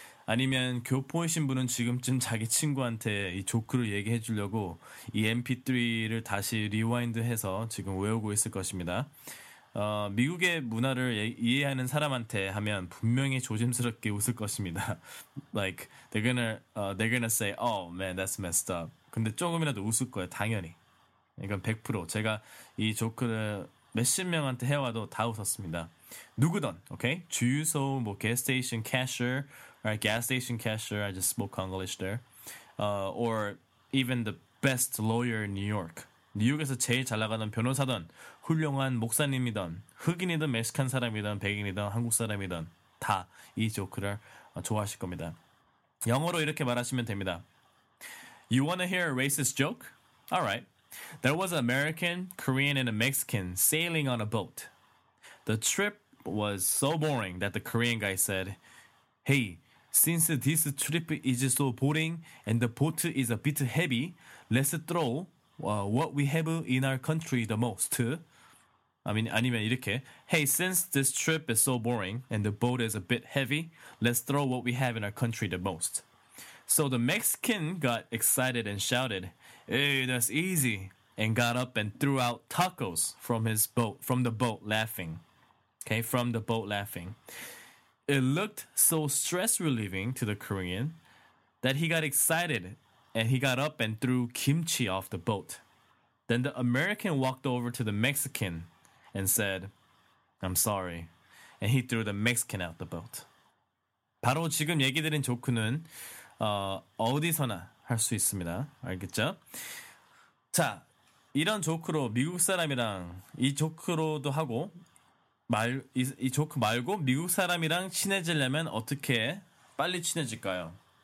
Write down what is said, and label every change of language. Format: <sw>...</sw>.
<ko>아니면 교포이신 분은 지금쯤 자기 친구한테 이 조크를 얘기해 주려고 이 MP3를 다시 리와인드해서 지금 외우고 있을 것입니다. 미국의 문화를 이해하는 사람한테 하면 분명히 조심스럽게 웃을 것입니다.</ko> <en>Like, they're gonna say, oh man, that's messed up.</en> <ko>근데 조금이라도 웃을 거예요, 당연히. 이건 100%. 제가 이 조크를 몇십 명한테 해와도 다 웃었습니다. 누구든, okay? 주유소, 뭐,</ko> <en>gas station cashier, I just spoke English there. Or even the best lawyer in New York.</en> <ko>뉴욕에서 제일 잘 나가는 변호사든 훌륭한 목사님이든 흑인이든 멕시칸 사람이든 백인이든 한국 사람이든 다 이 조크를 좋아하실 겁니다. 영어로 이렇게 말하시면 됩니다.</ko> <en>You wanna hear a racist joke? Alright. There was an American, Korean, and a Mexican sailing on a boat. The trip was so boring that the Korean guy said, Hey, since this trip is so boring and the boat is a bit heavy, let's throw... what we have in our country the most. I mean,</en> <ko>아니면 이렇게.</ko> <en>Hey, since this trip is so boring and the boat is a bit heavy, let's throw what we have in our country the most. So the Mexican got excited and shouted, Hey, that's easy. And got up and threw out tacos from the boat laughing. Okay, from the boat laughing. It looked so stress relieving to the Korean that he got excited and he got up and threw kimchi off the boat. Then the American walked over to the Mexican and said, I'm sorry. And he threw the Mexican out the boat.</en> <ko>바로 지금 얘기 드린 조크는 어디서나 할 수 있습니다. 알겠죠? 자, 이런 조크로 미국 사람이랑 이 조크로도 하고 이 조크 말고 미국 사람이랑 친해지려면 어떻게 빨리 친해질까요?</ko>